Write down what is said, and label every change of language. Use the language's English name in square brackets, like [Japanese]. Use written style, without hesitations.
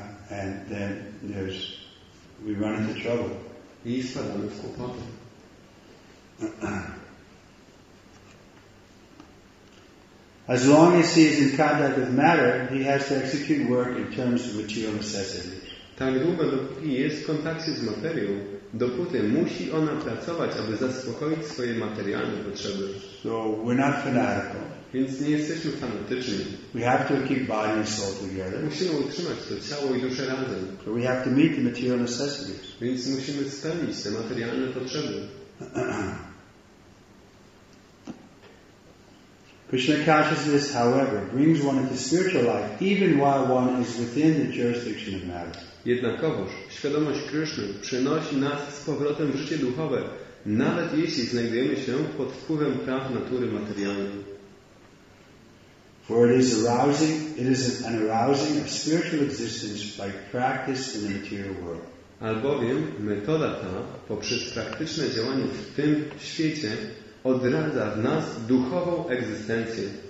[English] And then there's we run into trouble. [Polish] I spadamy w kłopoty. [English] As long as he is in contact with matter, he has to execute work in terms of material necessity. [Polish] Tak długo, dopóki jest w kontakcie z materią, dopóty musi ona pracować, aby zaspokoić swoje materialne potrzeby. [English] So we're not fanatical. [Polish] Więc nie jesteśmy fanatyczni. [English] We have to keep body and soul together. [Polish] Musimy utrzymać to ciało i duszę razem. [English] So we have to meet the material necessities. [Polish] Więc musimy spełnić te materialne potrzeby. [English] Krishna consciousness, however, brings one into spiritual life even while one is within the jurisdiction of matter. [Polish] Jednakowoż, świadomość Kryszny przynosi nas z powrotem w życie duchowe, nawet jeśli znajdujemy się pod wpływem praw natury materialnej. [English] For it is an arousing of spiritual existence by practice in the material world. [Polish] Albowiem metoda ta, poprzez praktyczne działanie w tym świecie, odradza w nas duchową egzystencję.